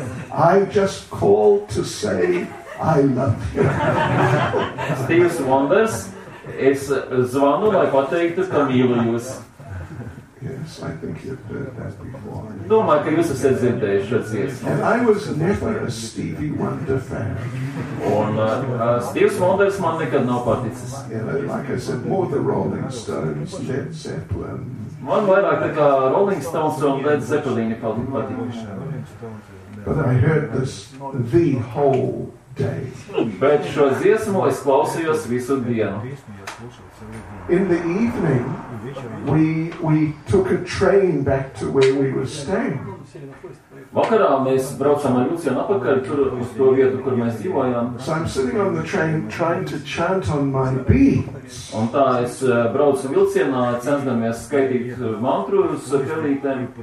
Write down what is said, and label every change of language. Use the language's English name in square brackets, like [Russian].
[English] I just called to say I love you. [Latvian] Stevie Wonder, es zvanu, lai pateiktu, ka mīlu jūs. [English] Yes, I think you've heard that before. [Latvian] Domāju, ka jūs esat dzirdējuši šo dziesmu. [English] And I was never a Stevie Wonder fan. [Latvian] Un Stevie Wonder man nekad nav paticis. [English] Yeah, like I said, more the Rolling Stones, Led Zeppelin. [Latvian] Man vairāk nekā Rolling Stones un Led Zeppelin patīk. [English] But I heard this the whole [Latvian] Bet šo dziesmu es klausījos visu dienu. [English] In the evening we took a train back to where we were staying. [Latvian] Vakarā mēs braucām ar Lucienu atpakaļ tur uz to vietu, kur mēs dzīvojām. [English] So I'm sitting on the train trying to chant on my beads. [Latvian] Un tā es braucu vilcienā, cenšamies skaitīt mantrus pelītēm.